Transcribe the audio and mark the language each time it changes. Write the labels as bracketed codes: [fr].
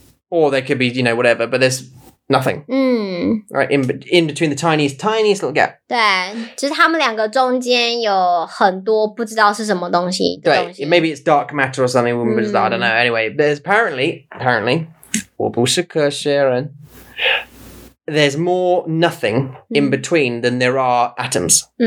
[en] Or there could be, you know, whatever, but there's nothing. 嗯。Right. In between the tiniest little gap. [zh] 对，就是他们两个中间有很多不知道是什么东西的东西。对, [en] maybe it's dark matter or something. We don't know. Anyway, there's apparently. [zh] 我不是科学人, [en] there's more nothing in between than there are atoms.